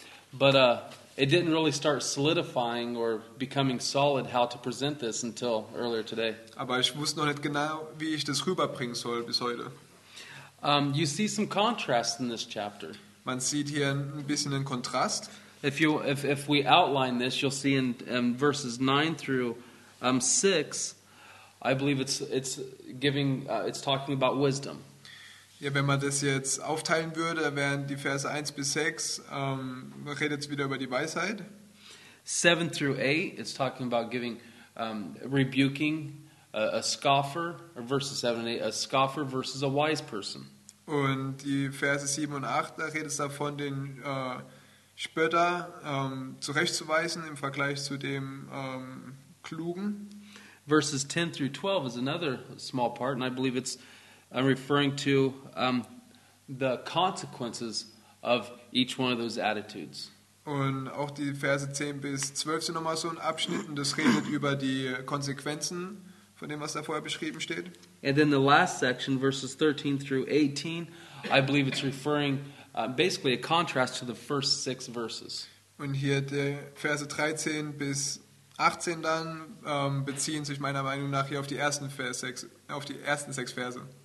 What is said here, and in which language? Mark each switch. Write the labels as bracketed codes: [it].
[en] But it didn't really start solidifying or becoming solid how to present this until earlier today. [de] Aber ich wusste noch nicht genau, wie ich das rüberbringen soll bis heute. [en] You see some contrast in this chapter. [de] Man sieht hier ein bisschen einen Kontrast. [en] If we outline this, you'll see in verses 9 through 6, I believe it's talking about wisdom. [de] Ja, wenn man das jetzt aufteilen würde, wären die Verse 1 bis 6, redet es wieder über die Weisheit. [en] 7 through 8, it's talking about giving, rebuking a scoffer, or verses 7 and 8, a scoffer versus a wise person. [de] Und die Verse 7 und 8, da redet es davon, den Spötter zurechtzuweisen im Vergleich zu dem Klugen. [en] Verses 10 through 12 is another small part, and I believe it's referring to the consequences of each one of those attitudes. [de] Und auch die Verse 10 bis 12 sind nochmal so ein Abschnitt, und das redet über die Konsequenzen von dem, was da vorher beschrieben steht. [en] And then the last section, verses 13 through 18, I believe it's referring basically a contrast to the first 6 verses. [de] Und hier die Verse 13 bis 18 dann beziehen sich meiner Meinung nach hier auf die ersten sechs Verse.